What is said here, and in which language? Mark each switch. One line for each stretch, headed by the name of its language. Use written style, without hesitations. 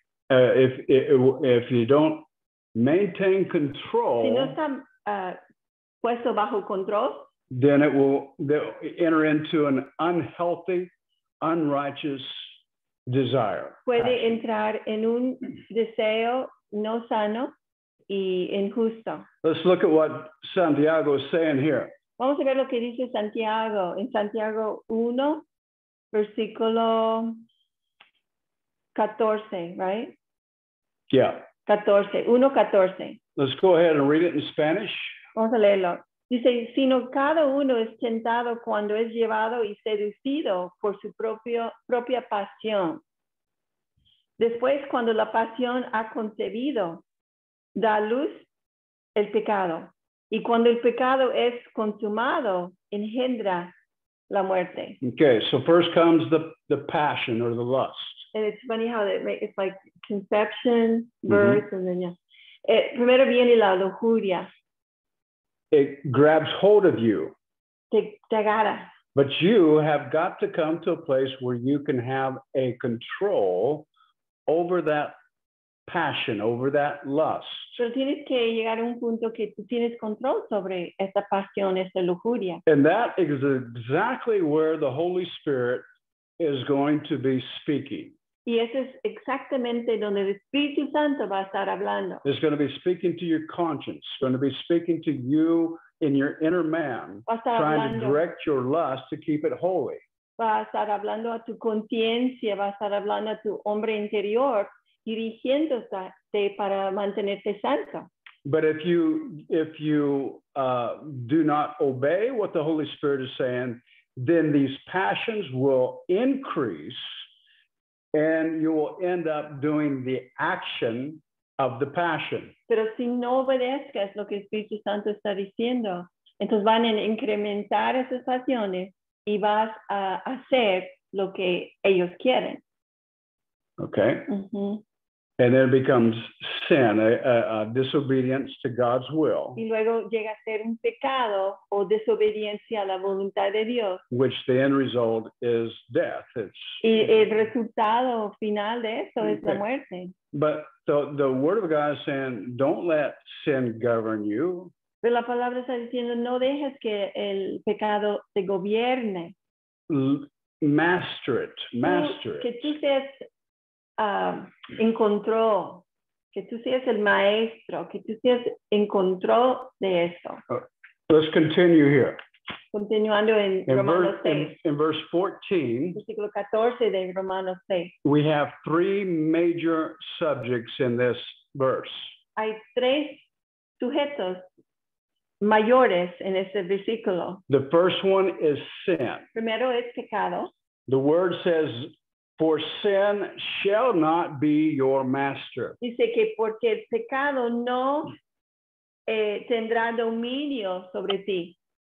English: If you don't maintain control.
Spanish: Si no está puesto bajo control.
English: Then it will enter into an unhealthy, unrighteous desire.
Spanish: Puede entrar en un deseo no sano y injusto.
English: Let's look at what Santiago is saying here.
Spanish: Vamos a ver lo que dice Santiago en Santiago 1, versículo 14, right?
English: Yeah. 1:14. Let's go ahead and read it in Spanish.
Spanish: Vamos a leerlo. Dice, sino cada uno es tentado cuando es llevado y seducido por su propia pasión. Después, cuando la pasión ha concebido, da luz el pecado. Y cuando el pecado es consumado, engendra la muerte.
English: Okay, so first comes the passion or the lust. And it's funny how it's like conception, birth, mm-hmm. And then yeah.
Spanish: Primero viene la lujuria.
English: It grabs hold of you.
Spanish: Te agarra.
English: But you have got to come to a place where you can have a control over that passion, over that lust.
Spanish: Pero tienes que llegar a un punto que tú tienes control sobre esta pasión, esta lujuria.
English: And that is exactly where the Holy Spirit is going to be speaking.
Spanish: Y eso es exactamente donde el Espíritu Santo va a estar hablando.
English: It's going to be speaking to your conscience. It's going to be speaking to you in your inner man.
Spanish: Va a estar
English: trying
Spanish: hablando.
English: To direct your lust to keep it holy.
Spanish: Va a estar hablando a tu conciencia. Va a estar hablando a tu hombre interior, dirigiéndote para mantenerte santo.
English: But if you do not obey what the Holy Spirit is saying, then these passions will increase. And you will end up doing the action of the passion.
Spanish: Pero si no obedezcas lo que el Espíritu Santo está diciendo, entonces van a incrementar esas pasiones y vas a hacer lo que ellos quieren.
English: Okay. Mm-hmm. And then it becomes sin, a disobedience to God's will.
Spanish: Y luego llega a ser un pecado o desobediencia a la voluntad de Dios.
English: Which the end result is death. It's,
Spanish: y el resultado final de eso okay. Es la muerte.
English: But the word of God is saying, don't let sin govern you.
Spanish: Pero la palabra está diciendo, no dejes que el pecado te gobierne.
English: Master it.
Spanish: Que tú seas en control, que tú seas el maestro, que tú seas en control de eso.
English: Let's continue here.
Spanish: Continuando en Romanos 6.
English: In verse 14,
Spanish: versículo 14 de Romanos 6.
English: We have three major subjects in this verse.
Spanish: Hay tres sujetos mayores en ese versículo.
English: The first one is sin.
Spanish: Primero es pecado.
English: The word says, for sin shall not be your master.
Spanish: Dice que porque el pecado no tendrá dominio sobre ti.